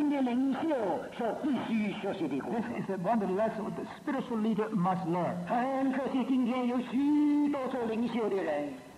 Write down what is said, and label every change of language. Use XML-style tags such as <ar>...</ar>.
<zh>那是心灵的领袖所必须学习的功课.</zh> <en>This is one of the lessons that the spiritual leader must learn.</en> <zh>很可惜今天有许多做领袖的人,</zh>